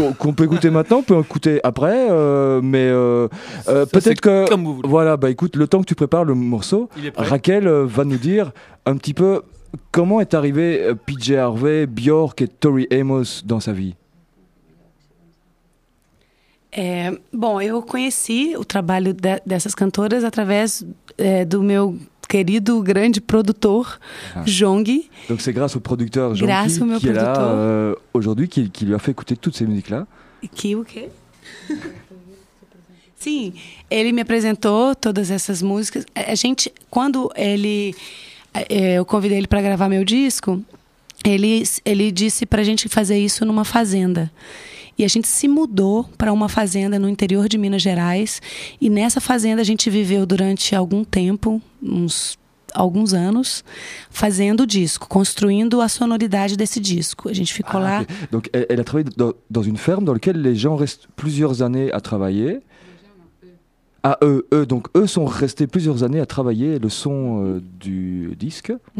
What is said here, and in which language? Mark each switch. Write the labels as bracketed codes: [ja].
[fr] qu'on peut écouter maintenant, on peut écouter après, mais ça, peut-être c'est que comme vous voulez. Voilà, écoute, le temps que tu prépares le morceau, Raquel va nous dire un petit peu comment est arrivé PJ Harvey, Björk et Tori Amos dans sa vie. [pt] Bom, eu conheci o trabalho dessas cantoras através do meu querido grande produtor Jong. [fr] Donc c'est grâce au producteur Jong qui est producteur. Là aujourd'hui qui lui a fait écouter toutes ces musiques là. Qui ou quê? [pt] Sim, ele me apresentou todas essas músicas. A gente quando ele eu convidei ele para gravar meu disco, ele disse pra gente fazer isso numa fazenda. E a gente se mudou para uma fazenda no interior de Minas Gerais. E nessa fazenda a gente viveu durante algum tempo, alguns anos, fazendo o disco, construindo a sonoridade desse disco. A gente ficou lá. [fr] Donc, elle a travaillé dans une ferme dans laquelle les gens restent plusieurs années à travailler. Ah, eux, donc eux sont restés plusieurs années à travailler le son du disque.